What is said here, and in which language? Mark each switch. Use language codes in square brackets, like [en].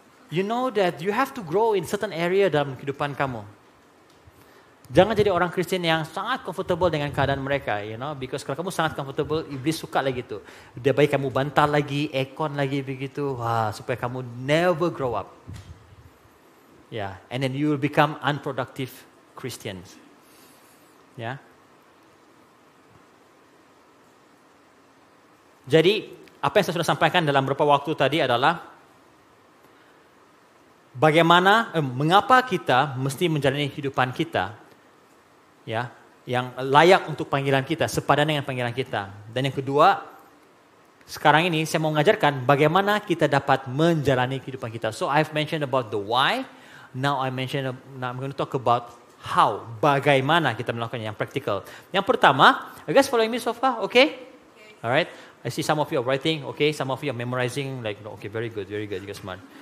[en] You know that you have to grow in certain area [ms] dalam kehidupan kamu. Jangan jadi orang Kristen yang sangat comfortable dengan keadaan mereka, you know, because kalau kamu sangat comfortable, iblis suka lagi itu. Dia baik kamu bantal lagi, aircon lagi begitu. Wah, supaya kamu [en] never grow up. Yeah, and then you will become unproductive Christians. Yeah. [ms] Jadi, apa yang saya sudah sampaikan dalam beberapa waktu tadi adalah bagaimana, mengapa kita mesti menjalani kehidupan kita, ya, yang layak untuk panggilan kita, sepadan dengan panggilan kita. Dan yang kedua, sekarang ini saya mau mengajarkan bagaimana kita dapat menjalani kehidupan kita. [en] So, I've mentioned about the why, now I mentioned, now I'm going to talk about how, [ms] bagaimana kita melakukannya yang praktikal. Yang pertama, [en] you guys following me so far, okay? Alright. I see some of you are writing, okay? Some of you are memorizing, like, okay, very good, you guys smart.